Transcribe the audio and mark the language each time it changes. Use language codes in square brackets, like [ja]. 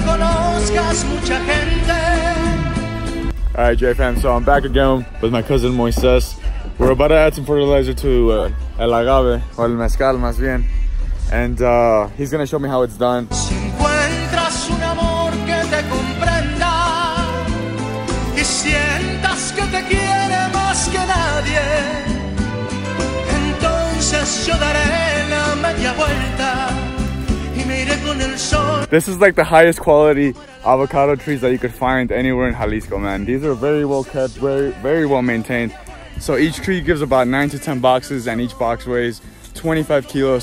[en] All right, J-Fam, so I'm back again with my cousin Moises. We're about to add some fertilizer to el agave, or el mezcal, [es] más bien. [en] And he's gonna show me how it's done. [es] Si encuentras un amor que te comprenda y sientas que te quiere más que nadie, entonces yo daré la media vuelta y me iré con el sol. [en] This is like the highest quality avocado trees that you could find anywhere in Jalisco, man. These are very well kept, very, very well maintained. So each tree gives about 9 to 10 boxes, and each box weighs 25 kilos.